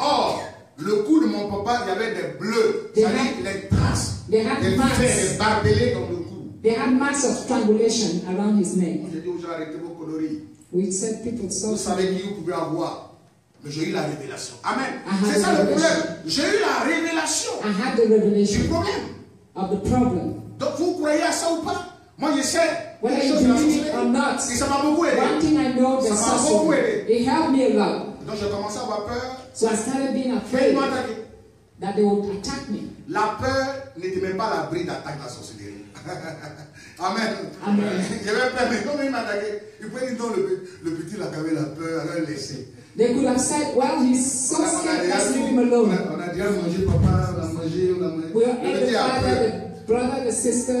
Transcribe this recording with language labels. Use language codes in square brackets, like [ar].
[fr] Or, le cou de mon papa, il y avait des bleus. C'est-à-dire les traces. [en] They had marks. [fr] Des fers barbelés dans le cou. [en] They had marks of strangulation around his neck. [fr] J'ai dit aux gens, arrêtez vos conneries. [en] We said people saw. [fr] Vous savez qui vous pouvez avoir. Mais j'ai eu la révélation. Amen. C'est ça le problème. J'ai eu la révélation. [en] I had the revelation. [fr] Du problème. [en] Of the problem. [fr] Donc vous croyez à ça ou pas? Moi je sais. [en] Whether you believe it or not, one thing I know is sorcery. It helped me a lot. [fr] Donc j'ai commencé à avoir peur. [en] So I started being afraid that they would attack me. [fr] La peur n'était même pas l'abri d'attaque de la sorcellerie. Amen. Amen. J'avais peur, mais comment il m'attaquait? Il pouvait dire non, le petit là qui avait la peur, alors il laissait. [en] They could have said, well, he's so scared, let's leave him alone. [fr] On a déjà mangé papa, on a mangé, on a mangé. [en] We'll eat the father, the brother, the sister.